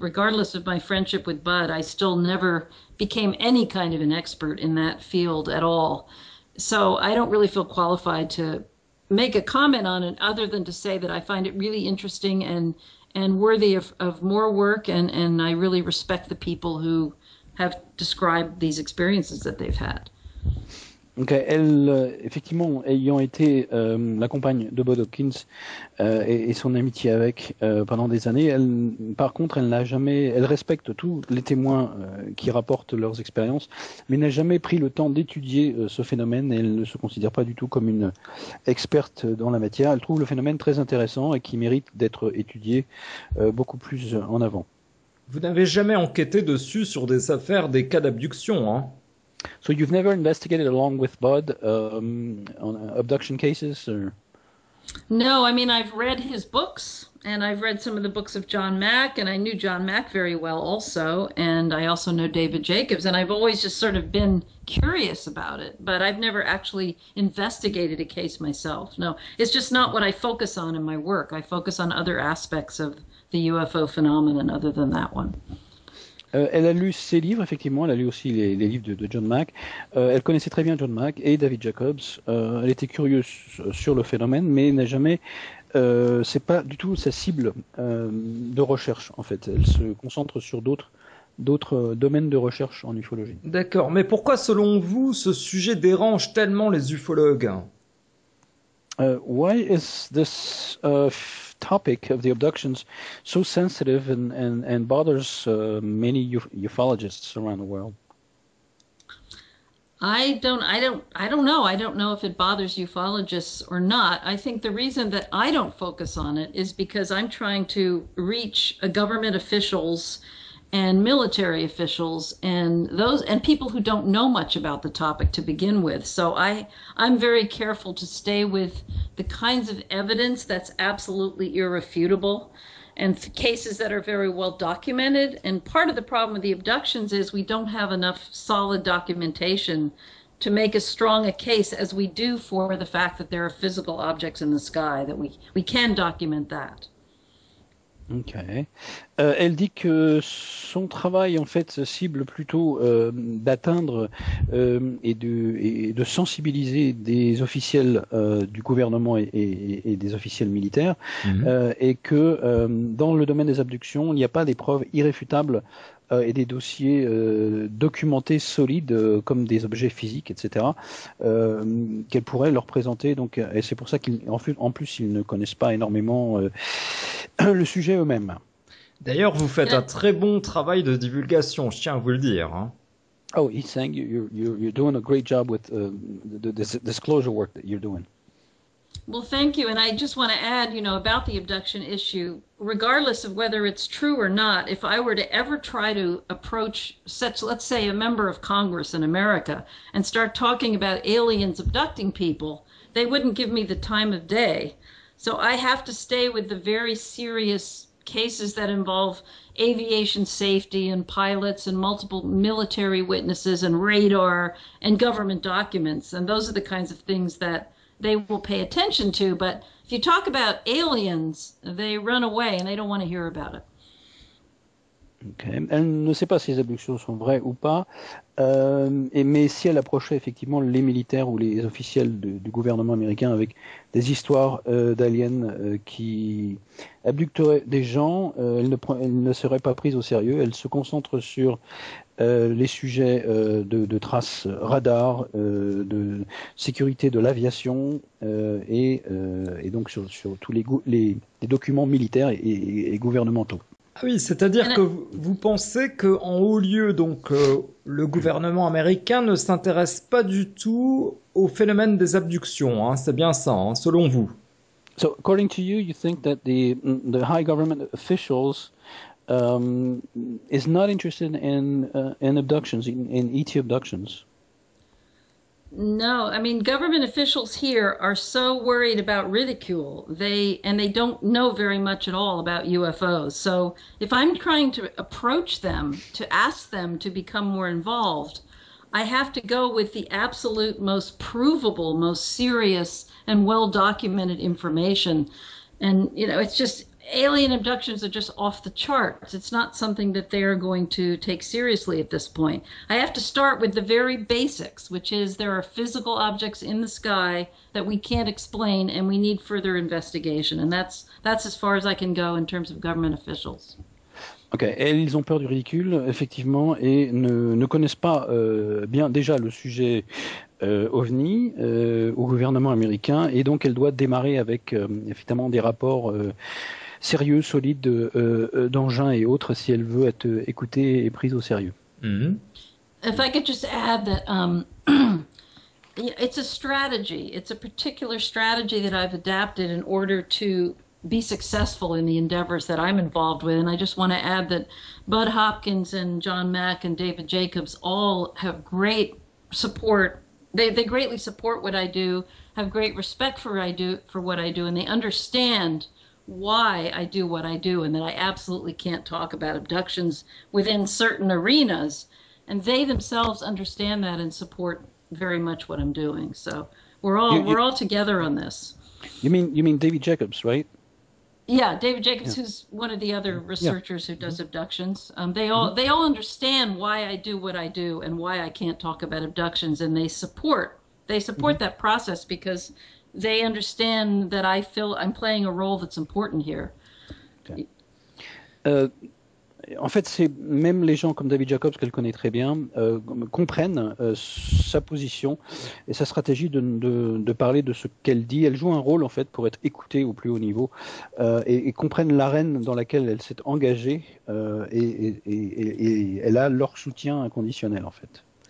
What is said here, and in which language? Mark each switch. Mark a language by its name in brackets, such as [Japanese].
[English] Regardless of my friendship with Bud, I still never became any kind of an expert in that field at all, so I don't really feel qualified to make a comment on it other than to say that I find it really interesting and worthy of more work, and I really respect the people who have described these experiences that they've had. [French] Donc elle, effectivement, ayant été la compagne de Bud Hopkins et son amitié avec pendant des années, elle, par contre, elle respecte tous les témoins qui rapportent leurs expériences, mais n'a jamais pris le temps d'étudier ce phénomène. Elle ne se considère pas du tout comme une experte dans la matière. Elle trouve le phénomène très intéressant et qui mérite d'être étudié beaucoup plus en avant. Vous n'avez jamais enquêté dessus sur des affaires, des cas d'abduction, hein? [English] So you've never investigated along with Bud on abduction cases, or? No, I mean, I've read his books, and I've read some of the books of John Mack, and I knew John Mack very well also, and I also know David Jacobs, and I've always just sort of been curious about it, but I've never actually investigated a case myself. No, it's just not what I focus on in my work. I focus on other aspects of the UFO phenomenon other than that one. [French] Elle a lu ses livres, effectivement, elle a lu aussi les livres de John Mack. Elle connaissait très bien John Mack et David Jacobs. Elle était curieuse sur le phénomène, mais n'a jamais... c'est pas du tout sa cible de recherche, en fait. Elle se concentre sur d'autres domaines de recherche en ufologie. D'accord, mais pourquoi, selon vous, ce sujet dérange tellement les ufologues? [English] Why is this topic of the abductions so sensitive and bothers many ufologists around the world? I don't know. I don't know if it bothers ufologists or not. I think the reason that I don't focus on it is because I'm trying to reach a government officials and military officials and those and people who don't know much about the topic to begin with. So I'm very careful to stay with the kinds of evidence that's absolutely irrefutable and cases that are very well documented. And part of the problem with the abductions is we don't have enough solid documentation to make as strong a case as we do for the fact that there are physical objects in the sky, that we can document that. Ok. [French] Elle dit que son travail, en fait, cible plutôt d'atteindre et de sensibiliser des officiels du gouvernement et des officiels militaires, et que dans le domaine des abductions, il n'y a pas des preuves irréfutables et des dossiers documentés solides comme des objets physiques, etc., qu'elle pourrait leur présenter. Donc, et c'est pour ça qu'en plus, ils ne connaissent pas énormément le sujet eux-mêmes. D'ailleurs, vous faites un très bon travail de divulgation, je tiens à vous le dire. [English] Oh, he's saying you're doing a great job with the disclosure work that you're doing. Well, thank you. And I just want to add, you know, about the abduction issue, regardless of whether it's true or not, if I were to ever try to approach such, let's say, a member of Congress in America and start talking about aliens abducting people, they wouldn't give me the time of day. So I have to stay with the very serious cases that involve aviation safety and pilots and multiple military witnesses and radar and government documents. And those are the kinds of things that they will pay attention to. But if you talk about aliens, they run away and they don't want to hear about it. Okay. [French] Elle ne sait pas si les abductions sont vraies ou pas, mais si elle approchait effectivement les militaires ou les officiels du gouvernement américain avec des histoires d'aliens qui abducteraient des gens, elle ne serait pas prise au sérieux. Elle se concentre sur les sujets de traces radar, de sécurité de l'aviation et donc sur tous les documents militaires et gouvernementaux. Oui, c'est-à-dire que vous pensez que en haut lieu, donc le gouvernement américain ne s'intéresse pas du tout au phénomène des abductions, hein, c'est bien ça, hein, selon vous. [English] So, according to you, you think that the high government officials is not interested in abductions, in ET abductions. No, I mean, government officials here are so worried about ridicule. They don't know very much at all about UFOs. So if I'm trying to approach them, to ask them to become more involved, I have to go with the absolute most provable, most serious, and well-documented information. And, it's just alien abductions are just off the charts. It's not something that they are going to take seriously at this point. I have to start with the very basics, which is there are physical objects in the sky that we can't explain and we need further investigation. And that's as far as I can go in terms of government officials. [French] Ok, et ils ont peur du ridicule, effectivement, et ne connaissent pas bien déjà le sujet OVNI au gouvernement américain, et donc elle doit démarrer avec effectivement des rapports sérieux, solides d'engins et autres si elle veut être écoutée et prise au sérieux. [English] If I could just add that it's a strategy. It's a particular strategy that I've adapted in order to be successful in the endeavors that I'm involved with. And I just want to add that Bud Hopkins and John Mack and David Jacobs all have great support. They greatly support what I do, have great respect for what I do, and they understand why I do what I do, and that I absolutely can't talk about abductions within certain arenas. And they themselves understand that and support very much what I'm doing. So we're all together on this. You mean David Jacobs, right? Yeah, David Jacobs, who's one of the other researchers who does abductions. They all understand why I do what I do and why I can't talk about abductions, and they support that process because they understand that I feel I'm playing a role that's important here. [French] En fait, c'est même les gens comme David Jacobs, qu'elle connaît très bien, comprennent sa position et sa stratégie de parler de ce qu'elle dit. Elle joue un rôle, en fait, pour être écoutée au plus haut niveau et comprennent l'arène dans laquelle elle s'est engagée et elle a leur soutien inconditionnel, en fait.